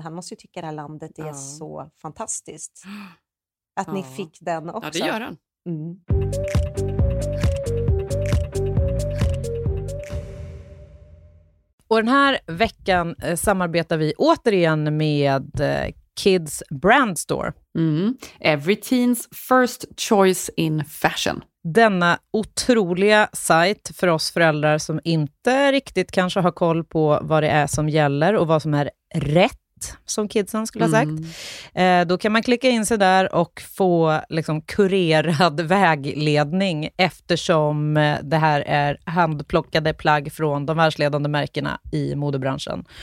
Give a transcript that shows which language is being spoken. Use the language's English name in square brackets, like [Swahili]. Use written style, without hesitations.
[Swedish] Han måste ju tycka det här landet är så fantastiskt. Att ni fick den också. Ja, det gör han. Mm. Och den här veckan samarbetar vi återigen med Kids Brand Store. Mm. [English] Every teen's first choice in fashion. [Swedish] Denna otroliga sajt för oss föräldrar som inte riktigt kanske har koll på vad det är som gäller och vad som är rätt, som kidsen skulle ha sagt. Då kan man klicka in sig där och få liksom kurerad vägledning, eftersom det här är handplockade plagg från de världsledande märkena i modebranschen.